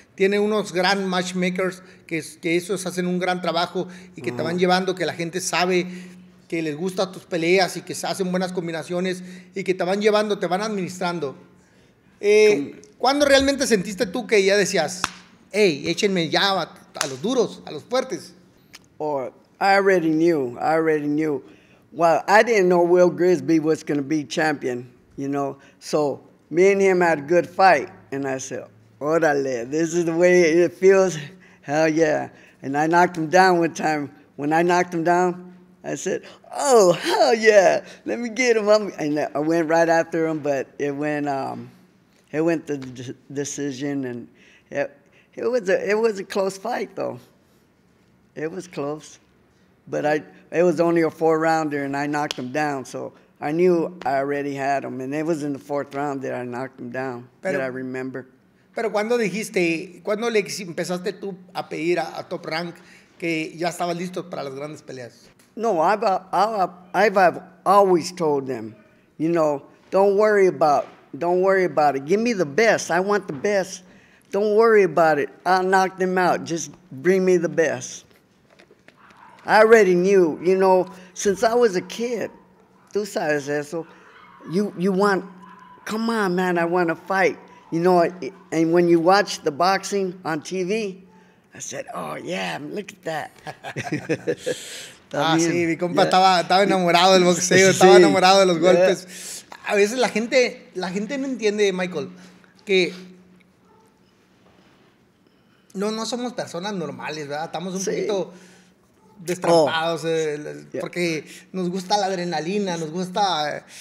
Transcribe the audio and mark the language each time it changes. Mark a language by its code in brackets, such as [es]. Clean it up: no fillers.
[es] Tiene unos gran matchmakers que esos hacen un gran trabajo y que te van llevando, que la gente sabe que les gusta tus peleas y que se hacen buenas combinaciones y que te van llevando, te van administrando. ¿Cuándo realmente sentiste tú que ya decías, hey, échenme ya a los duros, a los fuertes? [en] I already knew. Well, I didn't know Will Grigsby was going to be champion, you know. So, me and him had a good fight and I said, órale, this is the way it feels, hell yeah. And I knocked him down one time. When I knocked him down, I said, oh, hell yeah, let me get him. And I went right after him, but it went the decision, and it was a close fight, though. It was close, but it was only a four-rounder, and I knocked him down, so I knew I already had him, and it was in the fourth round that I knocked him down, that I remember. [es] Pero ¿cuándo le empezaste tú a pedir a Top Rank que ya estaba listo para las grandes peleas? [en] No, I've always told them, you know, don't worry about it. Give me the best. I want the best. Don't worry about it. I'll knock them out. Just bring me the best. I already knew, you know, since I was a kid, tú sabes eso, you want, come on, man, I want to fight. You know, and when you watch the boxing on TV, I said, oh, yeah, look at that. [es] También, sí, mi compa estaba enamorado del boxeo, sí. Estaba enamorado de los golpes. [en] Yeah. [es] A veces la gente no entiende, Michael, que no somos personas normales, ¿verdad? Estamos un poquito destrampados, porque nos gusta la adrenalina, nos gusta...